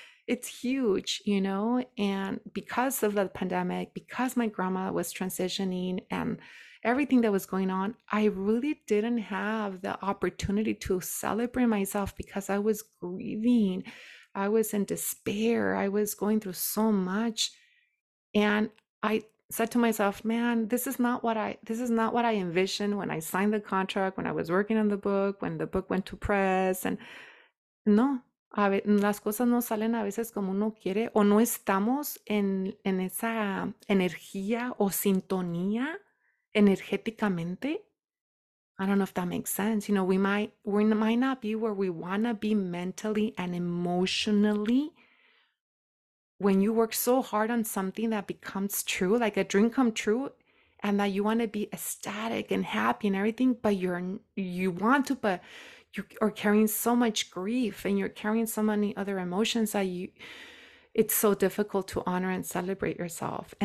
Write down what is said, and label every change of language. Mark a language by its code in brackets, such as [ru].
[en] It's huge, you know, and because of the pandemic, because my grandma was transitioning and everything that was going on, I really didn't have the opportunity to celebrate myself because I was grieving. I was in despair. I was going through so much. And I said to myself, man, this is not what I envisioned when I signed the contract, when I was working on the book, when the book went to press. And no. [es] A las cosas no salen a veces como uno quiere, o no estamos en esa energía o sintonía energéticamente. [en] I don't know if that makes sense. You know, we might not be where we want to be mentally and emotionally. When you work so hard on something that becomes true, like a dream come true, and that you want to be ecstatic and happy and everything, but you want to, but you are carrying so much grief and you're carrying so many other emotions that it's so difficult to honor and celebrate yourself.